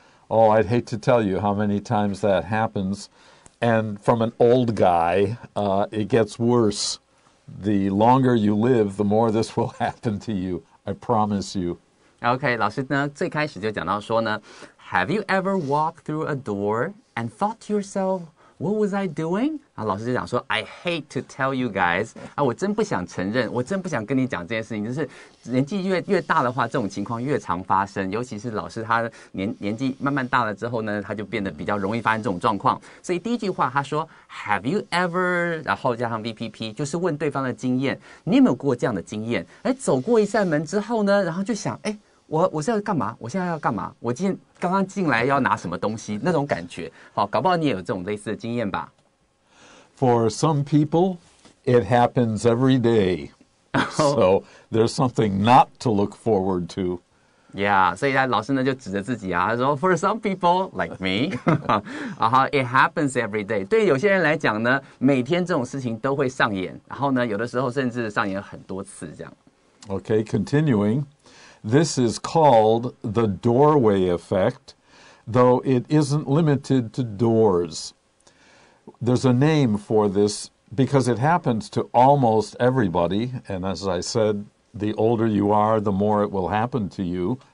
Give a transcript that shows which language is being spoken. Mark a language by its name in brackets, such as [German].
[English] Oh, I'd hate to tell you how many times that happens. And from an old guy, it gets worse. The longer you live, the more this will happen to you. I promise you. [Chinese] Okay, 老师呢，最开始就讲到说呢 [English] ，Have you ever walked through a door and thought to yourself, "What was I doing?" [Chinese] 啊，老师就讲说 [English] ，I hate to tell you guys. [Chinese] 啊，我真不想承认，我真不想跟你讲这件事情。就是年纪越大的话，这种情况越常发生。尤其是老师他年纪慢慢大了之后呢，他就变得比较容易发生这种状况。所以第一句话他说 ， [English] Have you ever？ [Chinese] 然后加上 VPP， 就是问对方的经验，你有没有过这样的经验？走过一扇门之后呢，然后就想，我是要干嘛？我现在要干嘛？我今天刚刚进来要拿什么东西？那种感觉，好，搞不好你也有这种类似的经验吧。 [English] For some people, it happens every day. So there's something not to look forward to. [Chinese] Yeah, 所以他老师呢就指着自己啊，他说 [English] For some people like me, [Chinese] 然后 [English] it happens every day. [Chinese] 对有些人来讲呢，每天这种事情都会上演，然后呢，有的时候甚至上演很多次这样。 [English] Okay, continuing. This is called the doorway effect, though it isn't limited to doors. There's a name for this because it happens to almost everybody. And as I said, the older you are, the more it will happen to you.